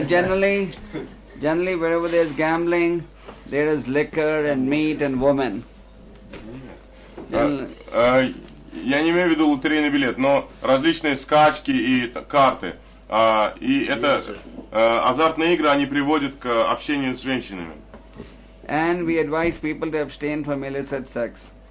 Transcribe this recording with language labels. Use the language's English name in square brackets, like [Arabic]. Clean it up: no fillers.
[English] Generally, wherever there's gambling, there is liquor and meat and women. [Russian] Я не имею в виду лотерейный билет, но различные скачки и карты. И это азартные игры, они приводят к общению с женщинами. [English] And we advise people to abstain from illicit sex.